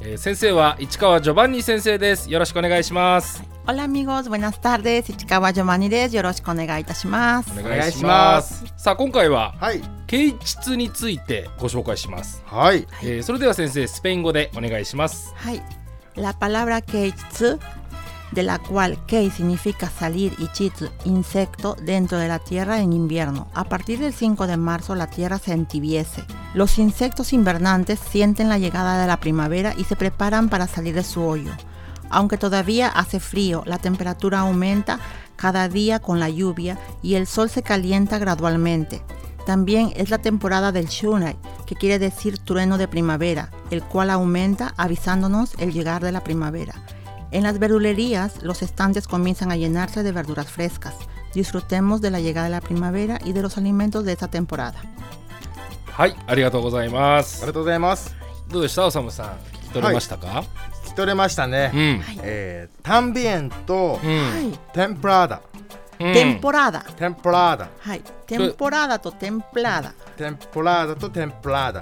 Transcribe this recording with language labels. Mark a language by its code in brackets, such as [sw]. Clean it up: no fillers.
[ja] 先生は市川ジョバンニ先生です。よろしくお願いします。オラミゴーズブナスタールです。市川ジョバンニです。よろしくお願いいたします。お願いします。さあ今回は、はい、啓蟄についてご紹介します。はい、それでは先生スペイン語でお願いします。 [es] はい、La palabra ケイチツ de la cual ケイ significa salir y chitz insecto dentro de la tierra en invierno. A partir del 5 de marzo la tierra se entibiece. Los insectos invernantes sienten la llegada de la primavera y se preparan para salir de su hoyo. Aunque todavía hace frío, la temperatura aumenta cada día con la lluvia y el sol se calienta gradualmente. También es la temporada del Shunai, que quiere decir trueno de primavera, el cual aumenta avisándonos el llegar de la primavera. En las verdulerías, los estantes comienzan a llenarse de verduras frescas. Disfrutemos de la llegada de la primavera y de los alimentos de esta temporada. [ja] はい、ありがとうございます。ありがとうございます。どうでした、オサムさん。聞き取れましたか？聞き取れましたね。うん。タンビエンと、テンプラーダ。テンポラーダ。テンポラーダ。はい。テンポラーダとテンプラーダ。テンポラーダとテンプラーダ。